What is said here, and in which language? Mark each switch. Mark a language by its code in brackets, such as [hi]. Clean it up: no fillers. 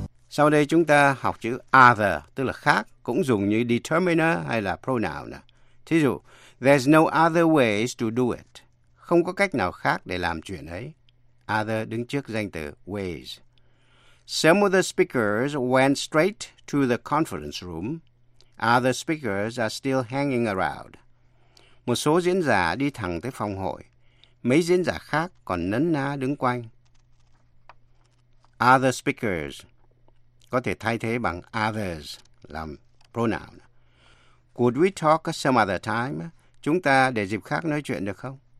[vi] Sau đây chúng ta học chữ other, tức là khác, cũng dùng như determiner hay là pronoun. Thí dụ, [en] there's no other ways to do it. [vi] Không có cách nào khác để làm chuyện ấy. Other đứng trước danh từ ways. [en] Some of the speakers went straight to the conference room. Other speakers are still hanging around. [vi] Một số diễn giả đi thẳng tới phòng hội. Mấy diễn giả khác còn nấn ná đứng quanh. Other speakers có thể thay thế bằng others làm pronoun. [en] Could we talk some other time? [vi] Chúng ta để dịp khác nói chuyện được không?